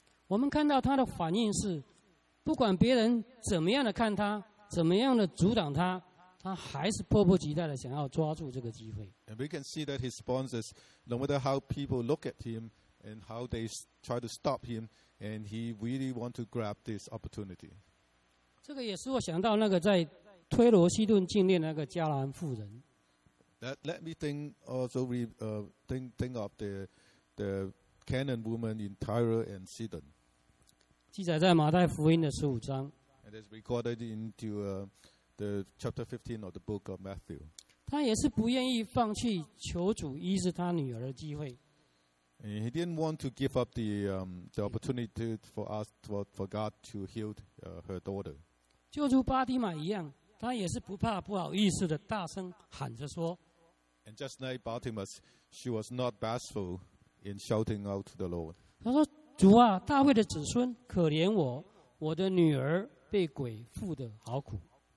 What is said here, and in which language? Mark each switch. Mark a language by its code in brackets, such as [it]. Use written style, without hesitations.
[zh] 我们看到他的反应是，不管别人怎么样的看他，怎么样的阻挡他。他还是迫不及待的想要抓住这个机会。 [en] And we can see that his sponsors, no matter how people look at him and how they try to stop him, and he really want to grab this opportunity. [zh] 这个也使我想到那个在推罗西顿境内那个迦南妇人。 [en] That let me think also think of the Canaan woman in Tyre and Sidon. [zh] 记载在马太福音的十五章。 [en] And it's recorded into the chapter 15 of the book of Matthew. [zh] 他也是不愿意放弃求主医治他女儿的机会。 [en] And he didn't want to give up the opportunity for God to heal her daughter. [zh] 就如巴提买一样，他也是不怕不好意思的大声喊着说。 [en] And just like Bartimaeus, she was not bashful in shouting out to the Lord. [zh] 他说：“主啊，大卫的子孙，可怜我，我的女儿被鬼附得好苦。”